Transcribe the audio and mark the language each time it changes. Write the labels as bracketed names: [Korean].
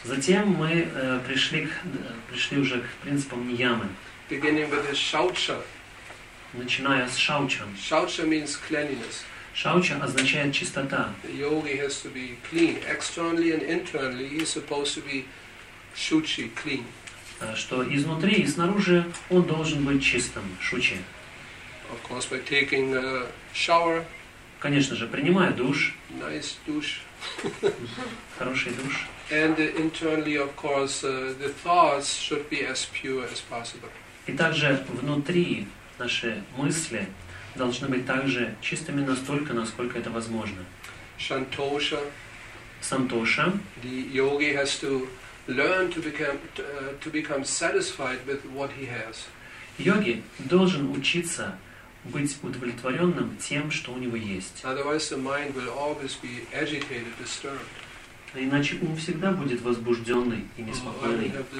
[Russian] Затем мы пришли уже к принципам ниямы. [English] Beginning with the shaucha. [Russian] Начиная с шауча. [English] Shaucha means cleanliness. [Russian] Шауча означает чистота. [English] The yogi has to be clean externally and internally. He is supposed to be shuchi, clean. [Russian] Что изнутри и снаружи он должен быть чистым, шучи. [English] Of course, by taking a shower. [Russian] Конечно же, принимая душ. [English] Nice douche. [Russian] Хороший душ. [English] And internally, of course, the thoughts should be as pure as possible. [Russian] И также внутри наши мысли должны быть также чистыми настолько, насколько это возможно. [Sanskrit] Santosha. Santosha. [English] The yogi has to learn to become satisfied with what he has. [Russian] Йоги должен учиться быть удовлетворенным тем, что у него есть. [English] Otherwise the mind will always be agitated, disturbed. [Russian] Иначе ум всегда будет возбужденный и неспокойный.